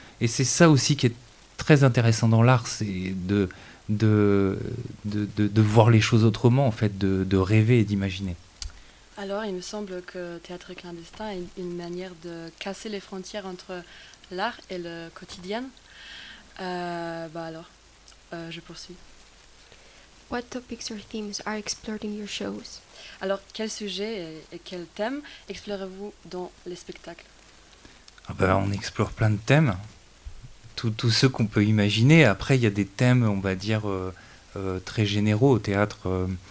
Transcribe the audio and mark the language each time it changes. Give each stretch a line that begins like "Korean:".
French: Et c'est ça aussi qui est très intéressant dans l'art, c'est de voir les choses autrement, en fait, de rêver et d'imaginer. Alors, il me semble que Théâtre clandestin est une manière de casser les frontières entre l'art et le quotidien. Je poursuis.
English: What topics or themes are explored in your shows?
French: Alors, quel sujet et quel thème explorez-vous dans les spectacles? On explore plein de thèmes. Tout ce qu'on peut imaginer. Après, il y a des thèmes, on va dire, très généraux au théâtre.